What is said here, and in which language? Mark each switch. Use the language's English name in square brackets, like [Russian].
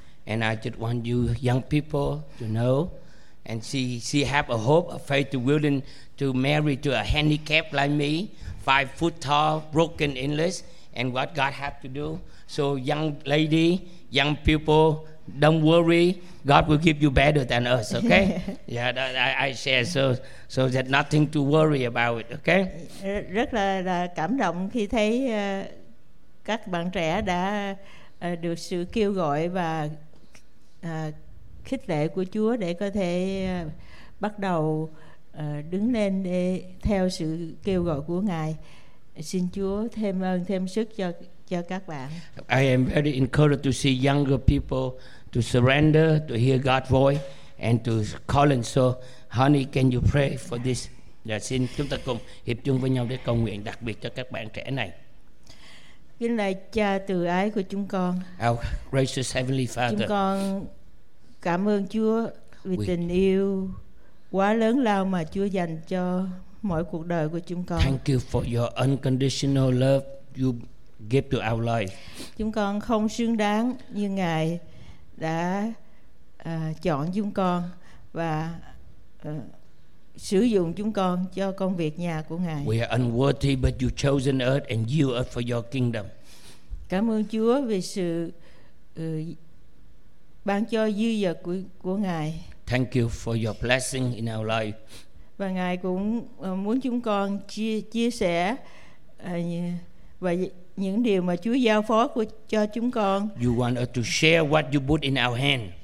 [English] And I just want you young people to know, and she have a hope, a faith, to willing to marry to a handicapped like me, 5 foot tall, broken English, and what God have to do. So young lady, young people, don't worry, God will give you better than us, okay? Yeah, I share, so there's nothing to worry about it, okay? [Vietnamese] Rất là cảm động khi thấy các bạn trẻ đã được sự kêu gọi và khích lệ của Chúa để có thể bắt đầu đứng lên để theo sự kêu gọi của Ngài. Xin Chúa thêm ơn, thêm sức cho các bạn. [English] I am very encouraged to see younger people to surrender, to hear God's voice, and to call in. So, honey, can you pray for this? [Vietnamese] Yeah, xin chúng ta cùng hiệp chung với nhau để cầu nguyện đặc biệt cho các bạn trẻ này. Kính lạy Cha từ ái của chúng con. [English] Our gracious Heavenly Father. [Vietnamese] Chúng con cảm ơn Chúa vì tình yêu quá lớn lao mà Chúa dành cho mỗi cuộc đời của chúng con. [English] Thank you for your unconditional love you give to our life. [Vietnamese] Chúng con không xứng đáng, như Ngài đã chọn chúng con và sử dụng chúng con cho công việc nhà của Ngài. [English] We are unworthy, but you chosen us and you are for your kingdom. [Vietnamese] Cảm ơn Chúa vì sự ban cho dư dật của Ngài. [English] Thank you for your blessing in our life. [Vietnamese] Và Ngài cũng muốn chúng con chia sẻ và những điều mà Chúa giao phó cho chúng con. [English] You want us to share what you put in our hand.